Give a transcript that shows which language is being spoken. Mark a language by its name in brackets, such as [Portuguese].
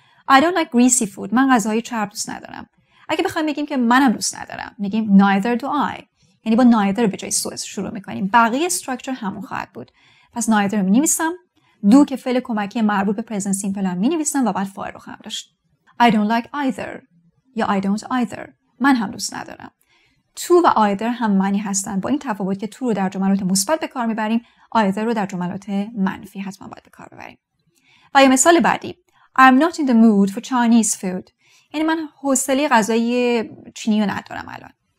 [English] I don't like greasy food. [Persian] من غذای چرب دوست ندارم. اگه بخوایم بگیم که منم دوست ندارم، میگیم [English] neither do I. [Persian] یعنی با neither به جای so شروع میکنیم. بقیه استراکچر همون خواهد بود. پس neither مینویسم، دو که فعل کمکی مربوط به پرزنت سیمپل هم مینویسم و بعد فاعل رو خواهم داشت. [English] I don't like either یا I don't either. [Persian] من هم دوست ندارم. تو و آیدر هم معنی هستن، با این تفاوت که تو رو در جملات مثبت به کار میبریم، آیدر رو در جملات منفی حتما باید به کار ببریم. و یه مثال بعدی، [English] I'm not in the mood for Chinese food. [Persian] یعنی من حوصله غذای چینی رو ندارم الان.